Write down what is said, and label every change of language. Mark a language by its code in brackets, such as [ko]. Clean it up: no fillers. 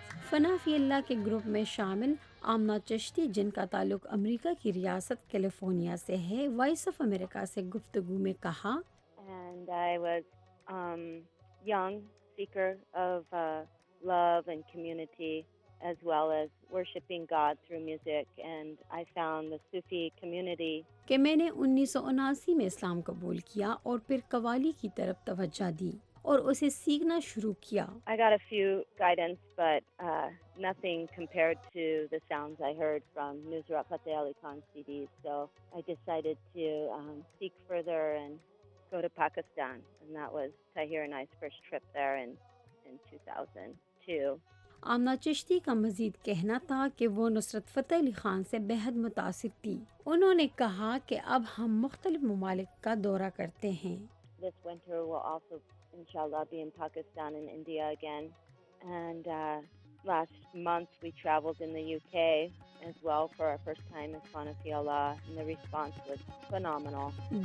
[ur] فنافی اللہ کے گروپ میں شامل آمنہ چشتی جن کا تعلق امریکہ کی ریاست کیلیفورنیا سے ہے وائس آف امریکہ سے گفتگو میں کہا [en] And I was young seeker of love and community as well as worshiping God through music and I found the Sufi community [ur] کہ میں نے 1979 میں اسلام قبول کیا اور پھر قوالی کی طرف توجہ دی اور اسے سیکھنا شروع کیا [en] I got a few guidance but nothing compared to the sounds I heard from Nusrat Fateh Ali Khan CDs so I decided to seek further and go to Pakistan and that was Tahir and I's first trip there in 2002 [ur] Amna Chishti کا مزید کہنا تھا کہ وہ نصرت فتح علی خان سے بہت متاثر تھی انہوں نے کہا کہ اب ہم مختلف ممالک کا دورہ کرتے ہیں [en] This winter we'll also inshallah be in Pakistan and India again and last month we traveled in the UK as well for our first time as Fanafi Allah and the response was phenomenal